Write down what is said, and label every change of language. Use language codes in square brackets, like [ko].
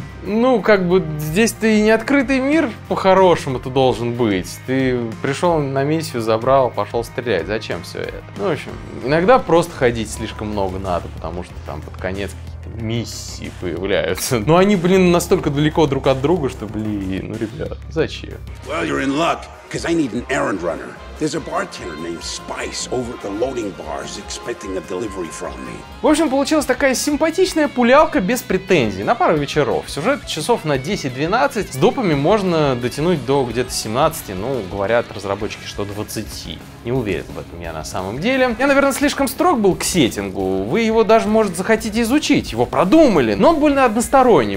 [ru] Ну, как бы, здесь ты не открытый мир, по-хорошему это должен быть. Ты пришел на миссию, забрал, пошел стрелять. Зачем все это? Ну, в общем, иногда просто ходить слишком много надо, потому что там под конец какие-то миссии появляются. Но они, блин, настолько далеко друг от друга, что, блин, ну, ребят, зачем? [en] Well, you're in luck, because I need an errand runner. There's a bartender named Spice over at the loading bar is expecting a delivery from me. [ru] В общем, получилась такая симпатичная пулялка без претензий на пару вечеров. Сюжет часов на 10-12, с допами можно дотянуть до где-то 17, ну, говорят разработчики, что 20. Не уверен в этом я на самом деле. Я, наверное, слишком строг был к сеттингу. Вы его даже, может, захотите изучить. Его продумали, но он больно односторонний.